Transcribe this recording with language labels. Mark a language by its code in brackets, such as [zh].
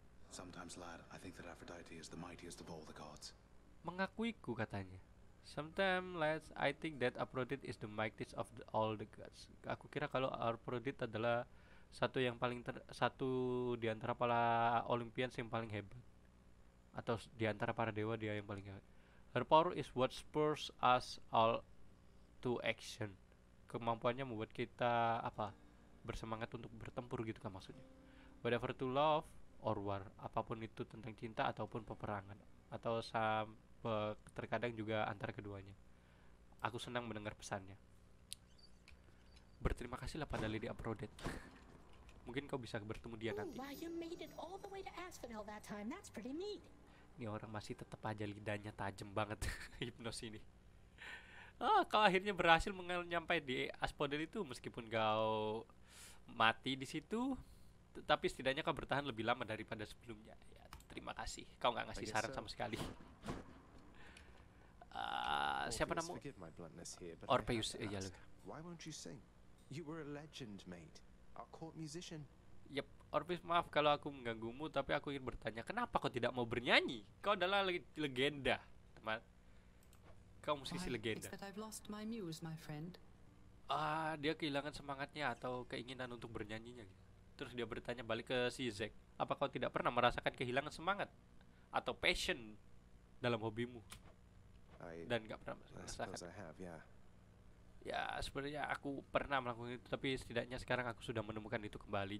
[en] Sometimes, lad, I think that Aphrodite is the mightiest of all the gods. [id] Mengakuiku katanya. [en] Sometimes, lads, I think that Aphrodite is the mightiest of all the gods. [id] Aku kira kalau Aphrodite adalah satu yang paling satu di antara para Olympians yang paling hebat, atau di antara para dewa dia yang paling hebat. [en] Her power is what spurs us all to action. [id] Kemampuannya membuat kita apa bersemangat untuk bertempur gitu kan maksudnya. [en] Whatever to love or war, [id] apapun itu tentang cinta ataupun peperangan atau terkadang juga antara keduanya. Aku senang mendengar pesannya. Berterima kasihlah pada Lady Aphrodite. Mungkin kau bisa bertemu dia nanti. [en] Ooh, you made it all the way to Asphodel that time. That's pretty neat. [id] Ini orang masih tetap aja lidahnya tajam banget. Hipnos ini. Ah, kau akhirnya berhasil nyampe di Asphodel itu meskipun kau mati di situ, tetapi setidaknya kau bertahan lebih lama daripada sebelumnya. Ya, terima kasih. Kau enggak ngasih saran sama sekali. Siapa namamu? Orpheus, ya lu. [en] Why won't you sing? You were a legend, mate. A court musician. [id] Yep, Orpheus, maaf kalau aku mengganggumu, tapi aku ingin bertanya, kenapa kau tidak mau bernyanyi? Kau adalah legenda, teman. Kau musisi legenda. [en] It's that I've lost my muse, my friend. [id] Dia kehilangan semangatnya atau keinginan untuk bernyanyinya. Terus dia bertanya balik ke si Zeke, apa kau tidak pernah merasakan kehilangan semangat atau passion dalam hobimu? Dan enggak pernah merasakan. Ya, sebenarnya aku pernah melakukan itu, tapi setidaknya sekarang aku sudah menemukan itu kembali.